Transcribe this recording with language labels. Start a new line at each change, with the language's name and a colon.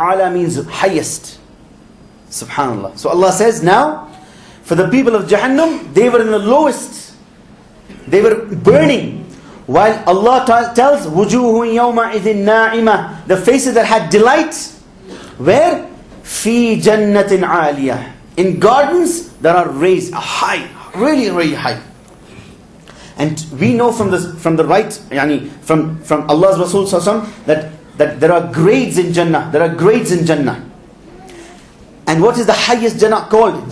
English: A'la means highest. Subhanallah. So Allah says now, for the people of Jahannam, they were in the lowest. They were burning. While Allah tells,
Arabic: وَجُوهٌ يَوْمَئِذٍ نَاعِمَةٌ.
English: The faces that had delight, where?
Arabic: Fi جَنَّةٍ عَالِيَةٍ.
English: In gardens that are raised high, really, really high. And we know from Allah's Rasul that there are grades in Jannah. There are grades in Jannah. And what is the highest Jannah called?